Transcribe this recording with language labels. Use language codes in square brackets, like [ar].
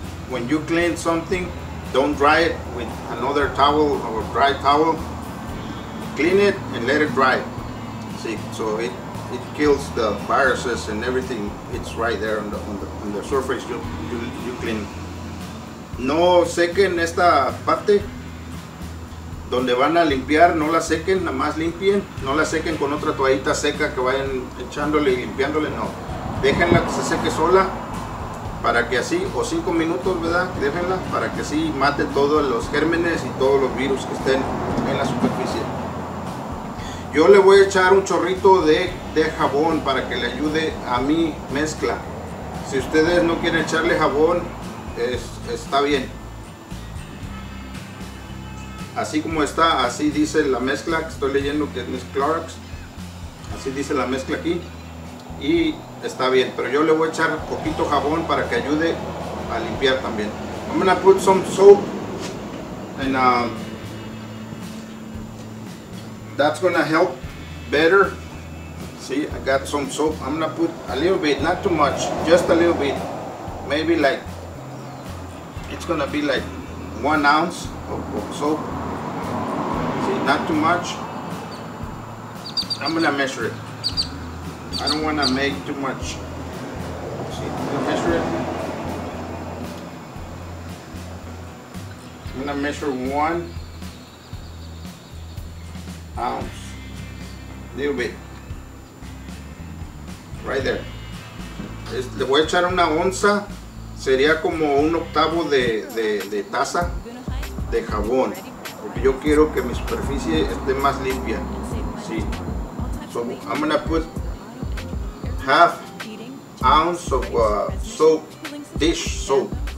[en] When you clean something, don't dry it with another towel or dry towel. Clean it and let it dry. See, so it kills the viruses and everything. It's right there on the surface you clean. [es] No sequen esta parte donde van a limpiar, no la sequen, nada más limpien. No la sequen con otra toallita seca que vayan echándole y limpiándole, no. Déjenla que se seque sola. Para que así, o 5 minutos, ¿verdad? Déjenla para que así mate todos los gérmenes y todos los virus que estén en la superficie. Yo le voy a echar un chorrito de jabón para que le ayude a mi mezcla. Si ustedes no quieren echarle jabón, está bien. Así como está, así dice la mezcla, que estoy leyendo que es Clorox. Así dice la mezcla aquí. Y está bien, pero yo le voy a echar poquito jabón para que ayude a limpiar también. [en] I'm gonna put some soap and that's gonna help better. See, I got some soap. I'm gonna put a little bit, not too much, just a little bit. maybe like, it's gonna be like 1 ounce of soap. See, not too much. I'm gonna measure it. I don't wanna make too much. See, measure it. I'm gonna measure 1 ounce. A little bit. Right there. [es] Le voy a echar una onza, sería como un octavo de taza de jabón, porque yo quiero que mi superficie esté más limpia. Sí. [en] So I'm gonna put 1/2 ounce of soap, dish soap.